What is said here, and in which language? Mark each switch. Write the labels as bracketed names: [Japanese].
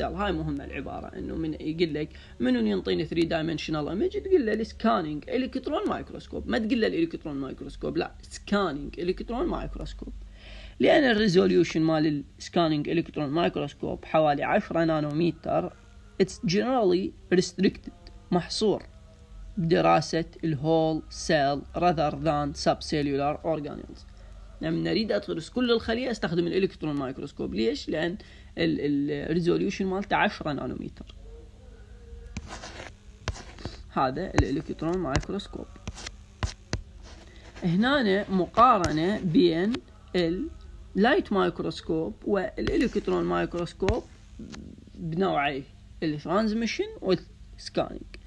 [Arabic] هاي مهمة العبارة، انه من يقول لك منو ينطيني [English] 3 dimensional image، [Arabic] تقول له السكانينج إلكترون مايكروسكوب، ما تقول له الإلكترون مايكروسكوب، لا سكانينج إلكترون مايكروسكوب، لان الريزوليوشن مال السكانينج إلكترون مايكروسكوب حوالي 10 نانومتر. [English] it's generally restricted، [Arabic] محصور بدراسة الهول سيل [English] rather than subcellular organelles. [Arabic] لما نريد أدرس كل الخلية استخدم الإلكترون مايكروسكوب، ليش؟ لأن الريزوليوشن مالته 10 نانومتر. هذا الإلكترون مايكروسكوب. هنا مقارنة بين اللايت مايكروسكوب والإلكترون مايكروسكوب بنوعي الترانزميشن والسكانينج.